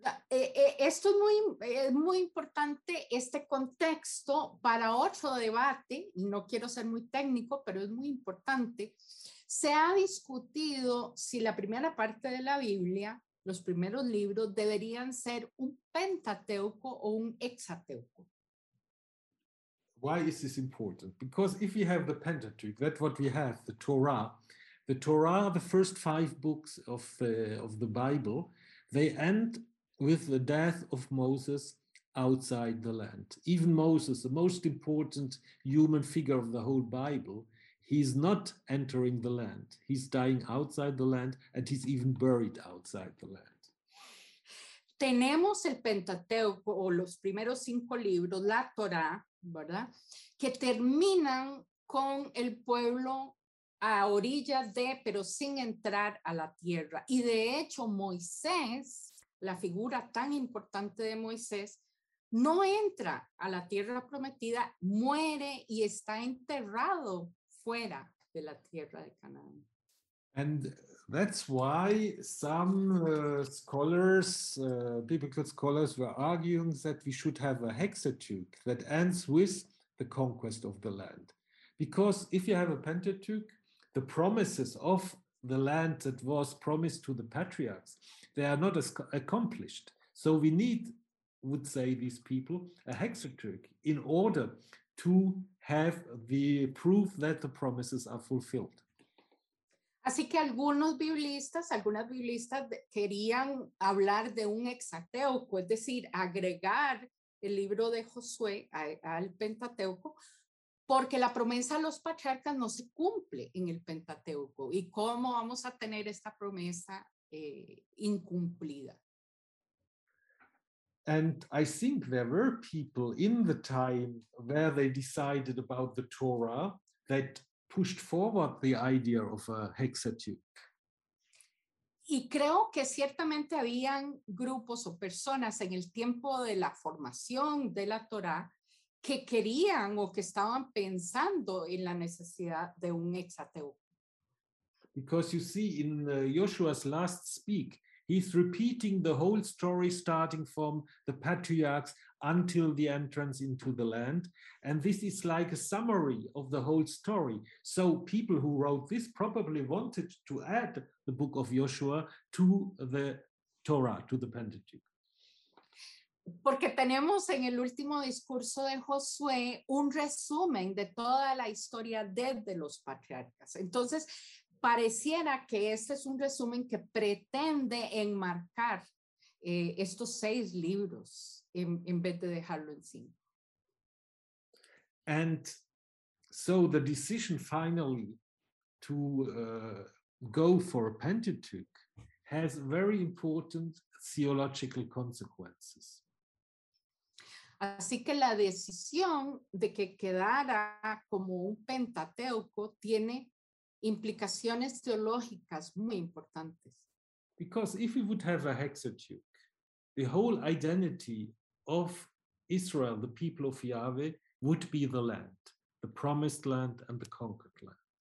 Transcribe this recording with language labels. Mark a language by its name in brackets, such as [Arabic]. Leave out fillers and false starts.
[Spanish] Esto es muy, muy importante, este contexto, para otro debate, y no quiero ser muy técnico, pero es muy importante. Se ha discutido si la primera parte de la Biblia, los primeros libros, deberían ser un Pentateuco o un Hexateuco. [English] Why is this important? Because if you have the Pentateuch, that's what we have, the Torah. The Torah, the first five books of the Bible, they end with the death of Moses outside the land. Even Moses, the most important human figure of the whole Bible, he's not entering the land. He's dying outside the land, and he's even buried outside the land. [Spanish] Tenemos el Pentateuco, o los primeros cinco libros, la Torah, ¿verdad? Que terminan con el pueblo a orillas de, pero sin entrar a la tierra. Y de hecho, Moisés, la figura tan importante de Moisés, no entra a la tierra prometida, muere y está enterrado fuera de la tierra de Canaán. [English] And that's why some scholars, biblical scholars, were arguing that we should have a Hexateuch that ends with the conquest of the land. Because if you have a Pentateuch, the promises of the land that was promised to the patriarchs, they are not as accomplished. So we need, would say these people, a Hexateuch in order to have the proof that the promises are fulfilled. [Spanish] Así que algunas biblistas querían hablar de un Hexateuco, es decir, agregar el libro de Josué al Pentateuco, porque la promesa a los patriarcas no se cumple en el Pentateuco. ¿Y cómo vamos a tener esta promesa incumplida? [English] And I think there were people in the time where they decided about the Torah that pushed forward the idea of a Hexateuch. [Spanish] Y creo que ciertamente habían grupos o personas en el tiempo de la formación de la Torah que querían o que estaban pensando en la necesidad de un Hexateuco. [English] Because you see, in Joshua's last speak, he's repeating the whole story starting from the patriarchs until the entrance into the land. And this is like a summary of the whole story. So people who wrote this probably wanted to add the book of Joshua to the Torah, to the Pentateuch. [Spanish] Porque tenemos en el último discurso de Josué un resumen de toda la historia desde los patriarcas. Entonces, pareciera que este es un resumen que pretende enmarcar estos seis libros en vez de dejarlo en cinco. [English] And so the decision finally to go for a Pentateuch has very important theological consequences. [Spanish] Así que la decisión de que quedara como un Pentateuco tiene implicaciones teológicas muy importantes. [English] Because if we would have a Hexateuch, the whole identity of Israel, the people of Yahweh, would be the land, the promised land and the conquered land.